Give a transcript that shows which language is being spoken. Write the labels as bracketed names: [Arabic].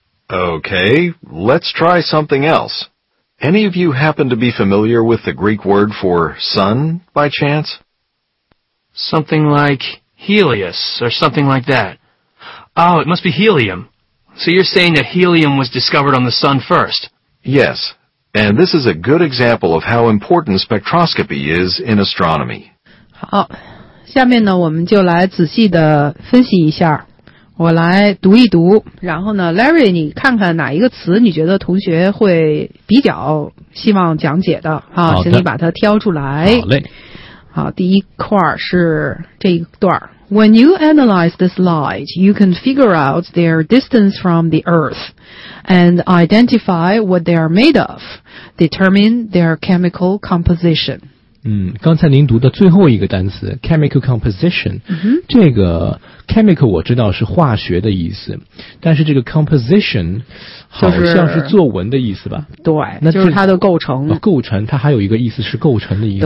[English] Okay, let's try something else. Any of you happen to be familiar with the Greek word for sun, by chance? Something like Helios, or something like that. Oh, it must be helium. So you're saying that helium was discovered on the sun first? Yes, and this is a good example of how important spectroscopy is in astronomy. [Chinese] 好，下面呢，我们就来仔细地分析一下。我来读一读，然后呢 ，Larry， 你看看哪一个词你觉得同学会比较希望讲解的啊？请你把它挑出来。好嘞。好，第一块是这一段。 [English] When you analyze this light, you can figure out their distance from the Earth and identify what they are made of, determine their chemical composition. [Chinese] 嗯，刚才您读的最后一个单词 chemical composition，这个 chemical 我知道是化学的意思，但是这个 composition 好像是作文的意思吧？就是、对，那就是它的构成、哦。构成，它还有一个意思是构成的意思。